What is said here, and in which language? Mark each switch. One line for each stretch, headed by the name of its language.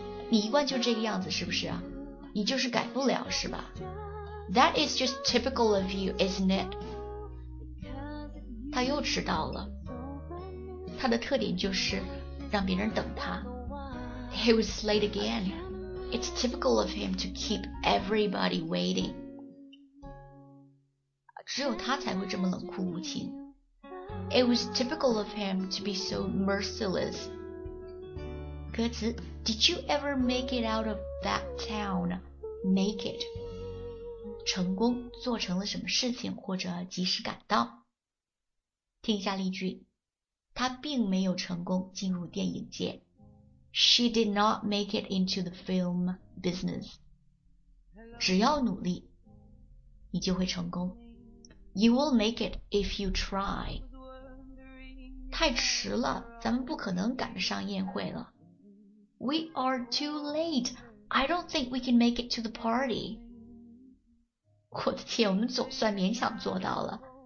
Chinese: 你一贯就这个样子是不是啊？你就是改不了是吧？
English: That is just typical of you, isn't it?
Chinese: 他又迟到了，他的特点就是让别人等他。
English: He was late again. It's typical of him to keep everybody waiting.
Chinese: 只有他才会这么冷酷无情。
English: It was typical of him to be so merciless. 歌词 Did you ever make it out of that town?
Chinese: Make it 成功做成了什么事情或者及时赶到。听一下例句，他并没有成功进入电影界。
English: She did not make it into the film business.
Chinese: 只要努力你就会成功。
English: You will make it if you try.
Chinese: 太迟了，咱们不可能赶得上宴会了。
English: We are too late. I don't think we can make it to the party.
Chinese: 我的天，我们总算勉强做到了。